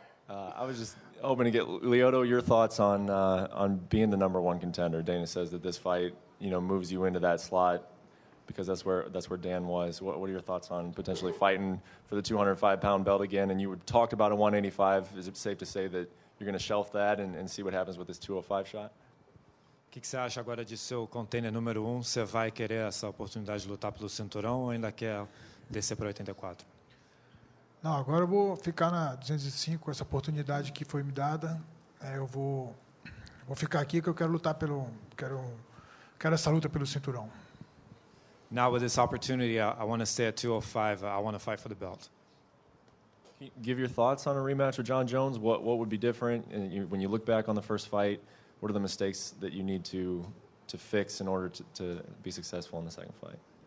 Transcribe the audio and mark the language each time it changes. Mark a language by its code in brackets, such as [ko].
[en] I was just hoping to get, Lyoto, your thoughts on being the number one contender. Dana says that this fight, you know, moves you into that slot. Because that's where Dan was. What are your thoughts on potentially fighting for the 205-pound belt again? And you talked about a 185. Is it safe to say that you're going to shelf that and see what happens with this 205 shot? [pt] O que você acha agora de ser o contender número um? Você vai querer essa oportunidade de lutar pelo cinturão ou ainda quer descer para 84? Não, agora eu vou ficar na 205, essa oportunidade que foi me dada. Eu vou ficar aqui que eu quero lutar pelo... Quero essa luta pelo cinturão. [en] Now with this opportunity, I want to stay at 205. I want to fight for the belt. Can you give your thoughts on a rematch with John Jones? What would be different? And when you look back on the first fight, what are the mistakes that you need to fix in order to be successful in the second fight?